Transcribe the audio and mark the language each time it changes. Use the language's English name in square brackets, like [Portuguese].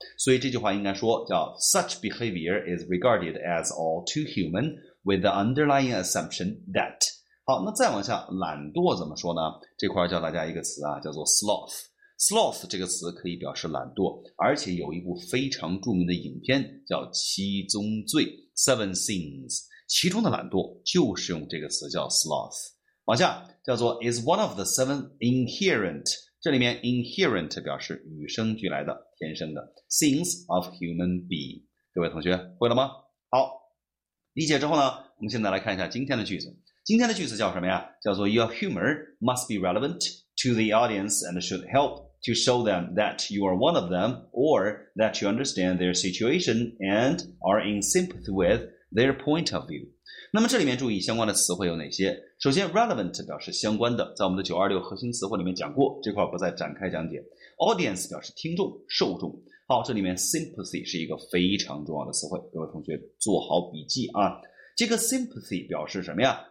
[Chinese] 所以这句话应该说叫 [English] such behavior is regarded as all too human with the underlying assumption that。 [Chinese] 好，那再往下，懒惰怎么说呢？这块教大家一个词啊，叫做 sloth。sloth 这个词可以表示懒惰，而且有一部非常著名的影片叫七宗罪 Seven Sins， 其中的懒惰就是用这个词叫 sloth。往下叫做 [English] is one of the seven inherent， [Chinese] 这里面 inherent 表示与生俱来的天生的 [English] sins of human being。 [Chinese] 各位同学会了吗？好，理解之后呢，我们现在来看一下今天的句子。今天的句子叫什么呀？叫做 [English] your humor must be relevant to the audience and should help to show them that you are one of them or that you understand their situation and are in sympathy with their point of view。 [Chinese] 那么这里面注意相关的词汇有哪些？首先 relevant 表示相关的，在我们的926核心词汇里面讲过，这块不再展开讲解。 audience 表示听众受众。好，这里面 sympathy 是一个非常重要的词汇，各位同学做好笔记啊。这个 sympathy 表示什么呀？